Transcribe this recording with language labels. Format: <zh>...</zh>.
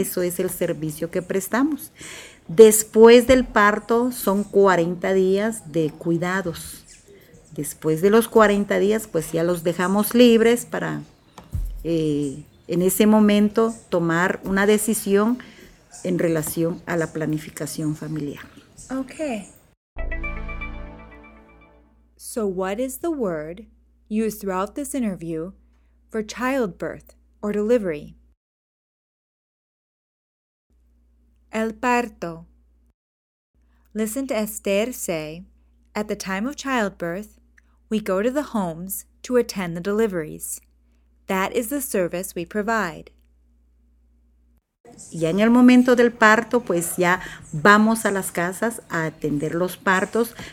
<es>Eso es el servicio que prestamos. Después del parto son 40 días de cuidados. Después de los 40 días, pues ya los dejamos libres para en ese momento tomar una decisión en relación a la planificación familiar.</es> <en>Okay. So what is the word used throughout this interview for childbirth or delivery? El parto. Listen to Esther say, at the time of childbirth, we go to the homes to attend the deliveries. That is the service we provide.</en> <es>Ya en el momento del parto, pues ya vamos a las casas a atender los partos.</es>